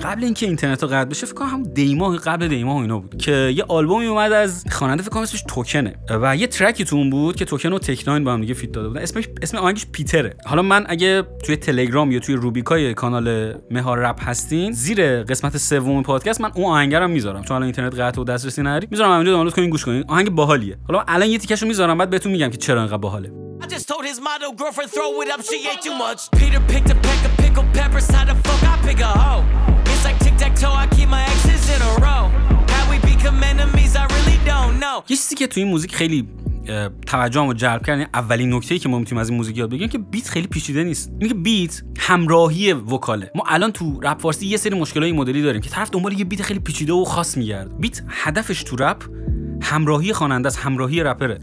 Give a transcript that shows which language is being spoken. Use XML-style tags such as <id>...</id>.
<fa>قبل اینکه اینترنت رو قطع بشه، فکر کنم همون دی ماه قبل دی ماه اینا بود که یه آلبومی اومد از خواننده فکر کنم اسمش توکنه و یه ترکی تو اون بود که توکن و تکناین با هم دیگه فیت داده بودن، اسم آهنگش پیتره. حالا من اگه توی تلگرام یا توی روبیکای کانال مهار رپ هستین، زیر قسمت سوم پادکست من اون آهنگ رو میذارم، چون الان اینترنت قطع و دسترسی نداری، میذارم همینجا دانلود کنین گوش کنین، آهنگ باحالیه. حالا الان یه تیکش رو میذارم بعد بهتون میگم که چرا اینقدر باحاله.</fa> <en>I just told his model girlfriend throw it up, she ate too much. Peter picked a peck of pickled peppers, how the fuck I pick a hoe? It's like tic-tac-toe, I keep my exes in a row. How we become enemies, I really don't know.</en> <fa>یه چیزی که توی این موزیک خیلی توجهمو جلب کرد، اولین نکته‌ای که ما میتونیم از این موزیک یاد بگیریم که بیت خیلی پیچیده نیست. اینه که بیت همراهی وکاله. ما الان تو رپ فارسی یه سری مشکلای مدلی داریم که طرف دنبال یه بیت خیلی پیچیده و خاص میگرد. بیت هدفش تو رپ همراهی خواننده است، همراهی رپره.</fa>